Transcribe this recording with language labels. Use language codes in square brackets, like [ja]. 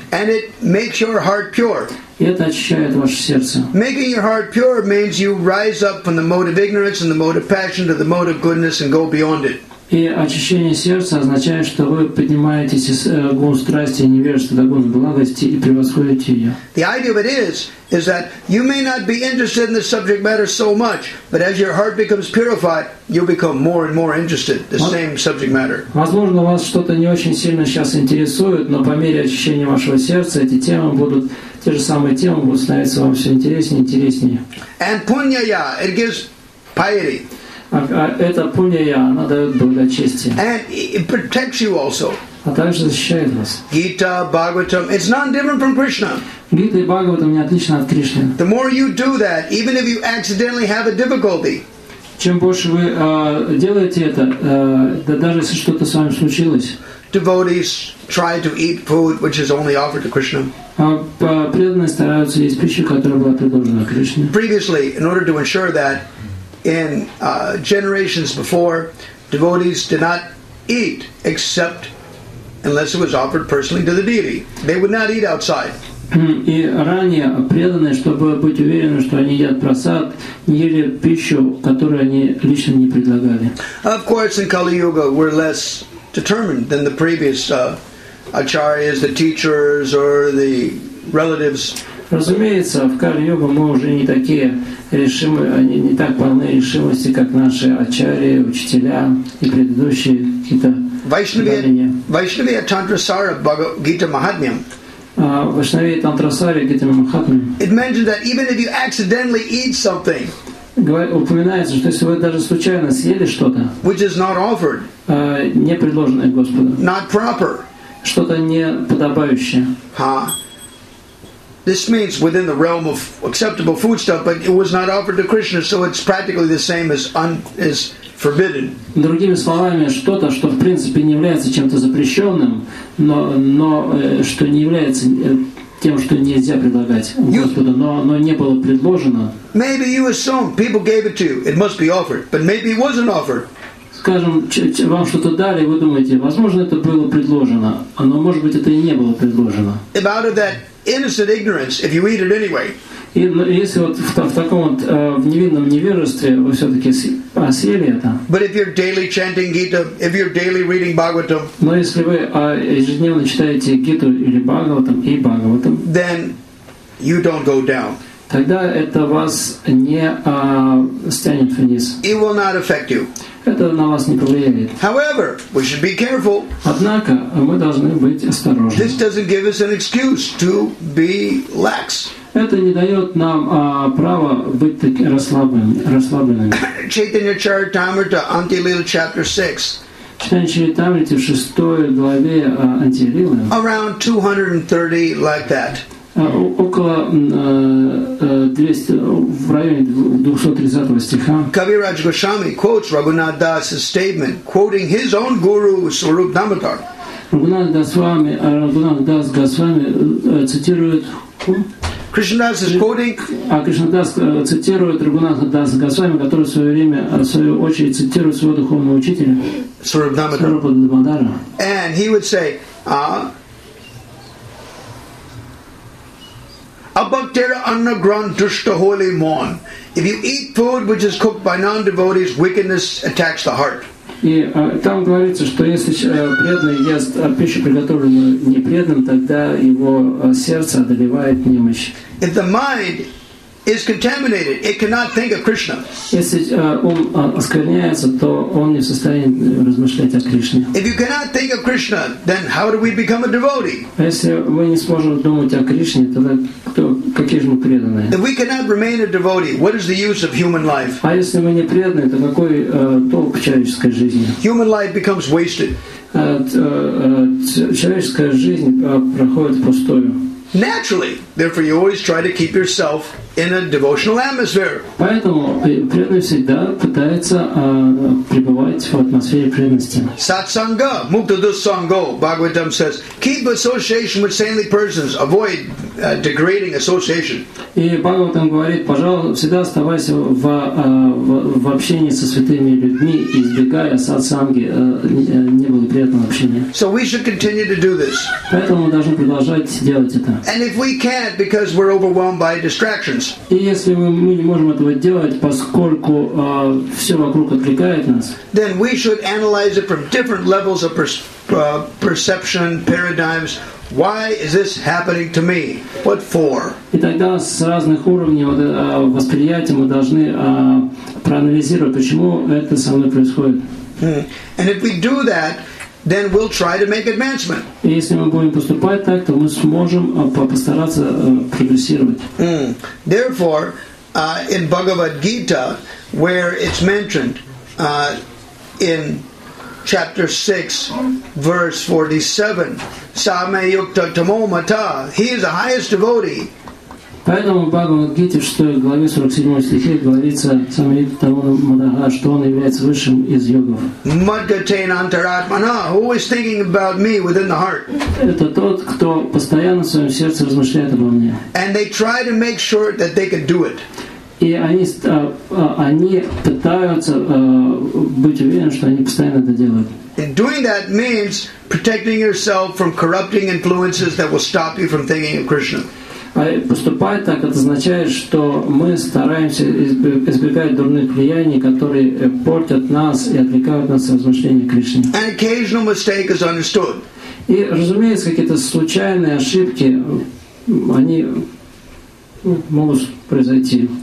[en] And it makes your heart pure. [ru] И это очищает ваше сердце. [en] Making your heart pure means you rise up from the mode of ignorance and the mode of passion to the mode of goodness and go beyond it. [ru] И очищение сердца означает, что вы поднимаетесь из гун страсти и невежества до гун благости и превосходите ее. [en] The idea of it is that you may not be interested in the subject matter so much, but as your heart becomes purified, you become more and more interested in the same subject matter. [ru] Возможно, вас что-то не очень сильно сейчас интересует, но по мере очищения вашего сердца эти темы будут, те же самые темы будут становиться вам все интереснее и интереснее. [en] And punyaya, it gives piety. [ru] Это пунья, она дает благочестие. [en] And it protects you also. [ru] А также защищает вас. [en] Gita, Bhagavatam, it's not different from Krishna. [ru] Гита и Бхагаватам не отличны от Кришны. [en] The more you do that, even if you accidentally have a difficulty, [ru] чем больше вы делаете это, да даже если что-то с вами случилось, [en] devotees try to eat food which is only offered to Krishna. [ru] Преданные стараются есть пищу, которая была предложена Кришне. [en] Previously, in order to ensure that, in generations before, devotees did not eat except unless it was offered personally to the deity. They would not eat outside. [ru] И ранее преданные, чтобы быть уверены, что они едят прасад, ели пищу, которую они лично не предлагали. [en] Of course, in Kali Yuga, we're less determined than the previous acharyas, the teachers, or the relatives. [ru] Разумеется, в Кали-йоге мы уже не такие решимы, не так полны решимости, как наши ачарьи, учителя и предыдущие какие-то поколения. Вайшнавия Тантрасара Бхагавад-гита Махатмьям. Вайшнавия Тантрасара Гита Махатмьям. [en] It mentions that even if you accidentally eat something, [ru] упоминается, что если вы даже случайно съели что-то, [en] which is not offered, [ru] не предложенное Господом, [en] not proper, [ru] что-то не подобающее. [en] This means within the realm of acceptable foodstuff, but it was not offered to Krishna, so it's practically the same as is forbidden. [ru] Другими словами, что-то, что в принципе не является чем-то запрещенным, но что не является тем, что нельзя предлагать Господу, но не было предложено. [en] Maybe you assume people gave it to you; it must be offered, but maybe it wasn't offered. [ru] Скажем, вам что-то дали, вы думаете, возможно, это было предложено, но может быть, это и не было предложено. [en] About that. Innocent ignorance, if you eat it anyway. [ru] Если вот в таком вот в невинном невежестве вы все-таки съели это. [en] But if you're daily chanting Gita, if you're daily reading Bhagavatam. [ru] Но если вы ежедневно читаете Гиту или Бхагаватам и Бхагаватам. [en] Then you don't go down. [ru] Тогда это вас не стянет вниз. [en] It will not affect you. [ru] Это на вас не повлияет. [en] However, we should be careful. [ru] Однако мы должны быть осторожны. [en] This doesn't give us an excuse to be lax. [ru] Это не дает нам права быть таким расслабленными. [en] Chaitanya Charitamrita, Anti Lila, chapter 6. [ru] Chaitanya Charitamrita, 6 главе Анти Лилы. [en] Around 230 like that. [ru] Около 200, в районе 230 стиха. [en] Kaviraj Goswami quotes Raghunath Das' statement, quoting his own guru, Swarup Damodar. [ru] Raghunath Das Goswami цитирует. Кришнадас цитирует Рагунатха Даса Госвами, который в свою очередь цитирует своего духовного учителя Свараб Дамодара. [en] And he would say, [bn] Abhaktera Anna Gran Dushta Holy Mon. [en] If you eat food which is cooked by non-devotees, wickedness attacks the heart. [ru] И там говорится, что если преданный ест пищу, приготовленную непреданным, тогда его сердце одолевает немощь. [en] If the mind is contaminated, it cannot think of Krishna. [ru] Если ум оскверняется, то он не в состоянии размышлять о Кришне. [en] If you cannot think of Krishna, then how do we become a devotee? [ru] Если мы не сможем думать о Кришне, тогда кто, какие же мы преданные? [en] If we cannot remain a devotee, what is the use of human life? [ru] А если мы не преданные, то какой толк человеческой жизни? [en] Human life becomes wasted. [ru] Человеческая жизнь проходит впустую. [en] Naturally, therefore, you always try to keep yourself in a devotional atmosphere. [ru] Поэтому преданный всегда пытается пребывать в атмосфере преданности. [sa] Satsanga, mukta dusango, [en] Bhagavatam says, keep association with saintly persons. Avoid degrading association. [ru] И Бхагаватам говорит, пожалуй, всегда оставайся в общении со святыми людьми, избегая сатсанги, не было приятного общения. [en] So we should continue to do this. [ru] Поэтому мы должны продолжать делать это. [en] And if we can't, because we're overwhelmed by distractions. [ru] И если мы не можем этого делать, поскольку все вокруг отвлекает нас. [en] Then we should analyze it from different levels of perception paradigms. Why is this happening to me? What for? [ru] И тогда с разных уровней восприятия мы должны проанализировать, почему это со мной происходит. [en] And if we do that, then we'll try to make advancement. [ru] Если мы будем поступать так, то мы сможем постараться прогрессировать. [en] Therefore, in Bhagavad Gita, where it's mentioned in chapter 6, verse 47, [sa] Same Yukta Tamo Mata, [en] he is the highest devotee. [ru] Поэтому в Бхагавад-гите, в 6 главе 47 стихе, говорится сам Йогитамон Мадага, что он является высшим из йогов. [sa] Мадгатейн антаратмана, [en] always thinking about me within the heart. [ru] Это тот, кто постоянно в своем сердце размышляет обо мне. [en] And they try to make sure that they can do it. [ru] И они пытаются быть уверены, что они постоянно это делают. [en] And doing that means protecting yourself from corrupting influences that will stop you from thinking of Krishna. [ru] Поступать так, это означает, что мы стараемся избегать дурных влияний, которые портят нас и отвлекают нас от размышления о Кришне. [en] An occasional mistake is understood. [ru] И, разумеется, какие-то случайные ошибки, они могут произойти.